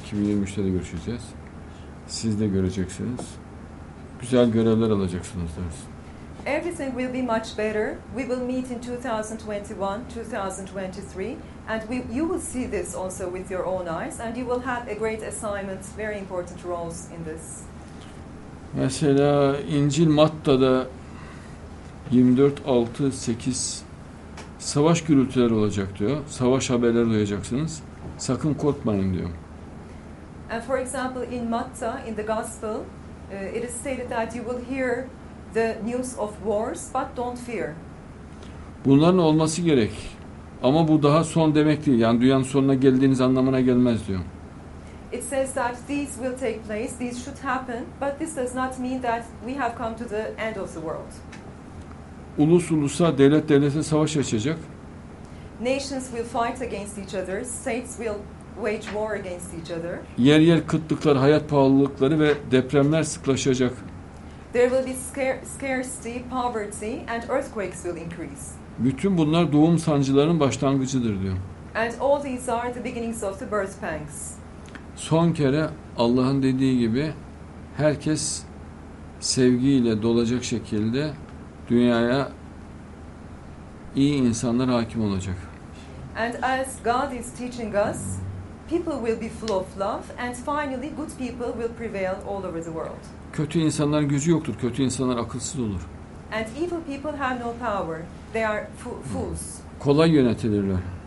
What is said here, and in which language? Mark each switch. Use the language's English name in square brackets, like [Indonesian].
[Turkish] 2023'te de görüşeceğiz. Siz de göreceksiniz. Güzel görevler alacaksınız deriz. [English] Everything will be much better. We will meet in 2021, 2023, and you will see this also with your own eyes, and you will have a great assignment, very important roles in this. [Turkish] Mesela İncil Matta'da 24:6-8 savaş gürültüleri olacak diyor. Savaş haberleri duyacaksınız. Sakın korkmayın diyor. [English] And for example, in Matta, in the Gospel, it is stated that you will hear the news of wars, but don't fear. [Turkish] Bunların olması gerek. Ama bu daha son demek değil. Yani dünyanın sonuna geldiğiniz anlamına gelmez diyor. [English] It says that these will take place, these should happen, but this does not mean that we have come to the end of the world. [Turkish] Ulus ulusa, devlet devlete savaş açacak. [English] Nations will fight against each other, states will wage war against each other. [Turkish] Yer yer kıtlıklar, hayat pahalılıkları ve depremler sıklaşacak. [English] There will be scarcity, poverty and earthquakes will increase. [Turkish] Bütün bunlar doğum sancılarının başlangıcıdır diyor. [English] And all these are the beginnings of the birth pangs. [Turkish] Son kere Allah'ın dediği gibi herkes sevgiyle dolacak şekilde dünyaya iyi insanlar hakim olacak. [English] And as God is teaching us, people will be full of love and finally good people will prevail all over the world. [Turkish] Kötü insanların gücü yoktur. Kötü insanlar akılsız olur. [English] And evil people have no power. They are fools. [Turkish] Kolay yönetilirler.